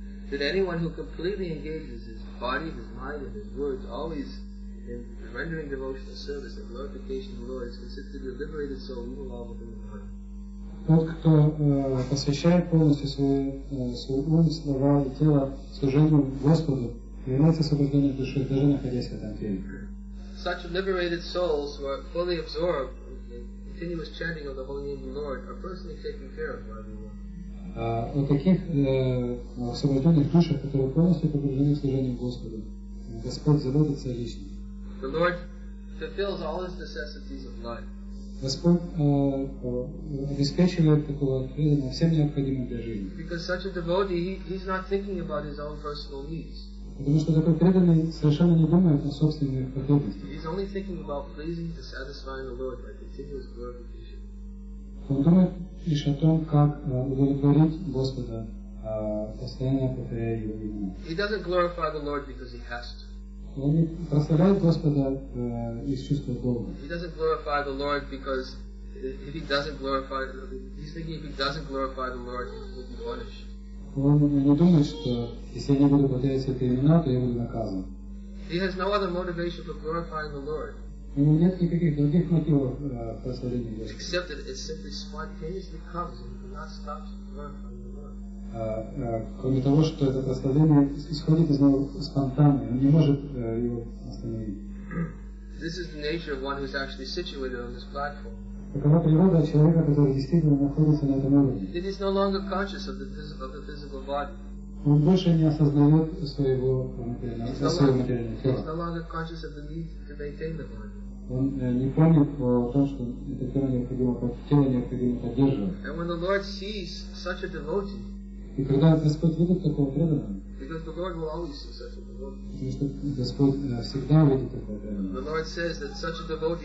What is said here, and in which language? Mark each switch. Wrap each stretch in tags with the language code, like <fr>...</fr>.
<en>That anyone who completely engages his body, his mind, and his words always in rendering devotional service and glorification of the Lord is considered a liberated soul, even while within the mind.</en> <ru>Тот, кто посвящает полностью свой ум, слова и тело служению Господу, является освобожденной душой, даже находясь в этом теле.</ru> <en>Such liberated souls who are fully absorbed in the continuous chanting of the holy name of the Lord are personally taken care of by the Lord.</en> <ru>У таких освобожденных душ, которые полностью погружены в служение Господу, Господь заботится лично.</ru> <en>The Lord fulfills all his necessities of life.</en> <ru>Господь обеспечивает такого отведения всем необходимым для жизни.</ru> <en>Because such a devotee, he's not thinking about his own personal needs.</en> <ru>Потому что такой преданный совершенно не думает о собственных потребностях.</ru> <en>He's only thinking about pleasing to satisfy the Lord by continuous glorification.</en> <ru>Он думает лишь о том, как удовлетворить Господа, постоянно повторяя Его имя.</ru> <en>He doesn't glorify the Lord because he has to.</en> <ru>Он не прославляет Господа из чувства долга.</ru> <en>He doesn't glorify the Lord because if he doesn't glorify, he's thinking if he doesn't glorify the Lord, he will be punished.</en> <ru>Он не думает, что если я не буду повторять эти имена, то я буду наказан.</ru> <en>He has no other motivation for glorifying the Lord.</en> <ru>У него нет никаких других мотивов прославления Господа.</ru> <en>Except that it simply spontaneously comes and you cannot stop to learn from the Lord.</en> <ru>Кроме того, что это прославление исходит из него спонтанно, он не может его остановить.</ru> <en>This is the nature of one who is actually situated on this platform.</en> <ru>Такова природа человека, который действительно находится на этом уровне.</ru> <en>It is no longer conscious of the physical body.</en> <ru>Он больше не осознает своего материального тела. Он не помнит о том, что это тело необходимо, поддерживать. И когда Господь видит такого преданного, потому что Господь всегда видит такого</ru>